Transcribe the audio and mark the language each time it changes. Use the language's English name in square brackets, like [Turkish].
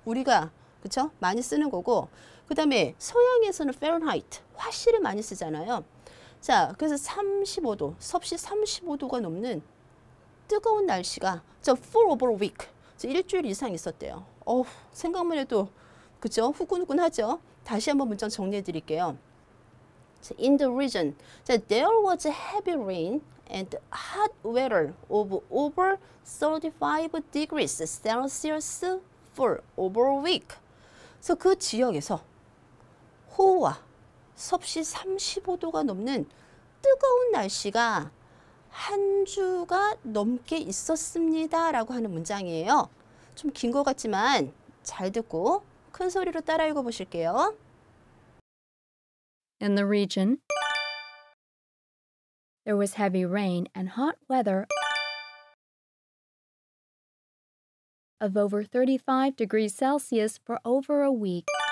[Korean] 우리가 그쵸? 많이 쓰는 거고 그 다음에 서양에서는 Fahrenheit, 화씨를 많이 쓰잖아요. 자, 그래서 35도, 섭씨 35도가 넘는 뜨거운 날씨가 자, [English] for over a week, [Korean] 자, 일주일 이상 있었대요. 어후, 생각만 해도 그쵸? 후끈후끈하죠? 다시 한번 문장 정리해 드릴게요. [English] In the region, there was a heavy rain and hot weather of over 35 degrees Celsius for over a week. [Korean] 그래서 그 지역에서 호우와 섭씨 35도가 넘는 뜨거운 날씨가 한 주가 넘게 있었습니다. 라고 하는 문장이에요. 좀 긴 것 같지만 잘 듣고 큰 소리로 따라 읽어 보실게요. [English] In the region, there was heavy rain and hot weather of over 35 degrees Celsius for over a week.